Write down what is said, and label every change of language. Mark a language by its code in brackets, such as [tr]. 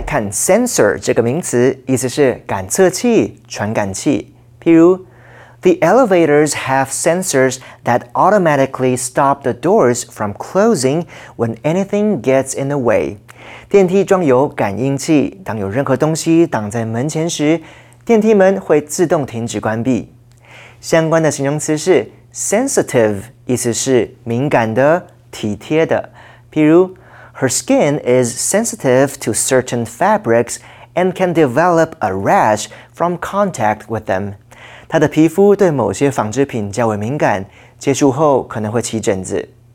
[zh] Sensor 这个名词意思是感测器、传感器，譬如 [en] The elevators have sensors that automatically stop the doors from closing when anything gets in the way. [zh] 电梯装有感应器，当有任何东西挡在门前时，电梯门会自动停止关闭。相关的形容词是 sensitive， 意思是敏感的、体贴的。譬如 [en] ，Her skin is sensitive to certain fabrics and can develop a rash from contact with them。 [zh] 她的皮肤对某些纺织品较为敏感，接触后可能会起疹子。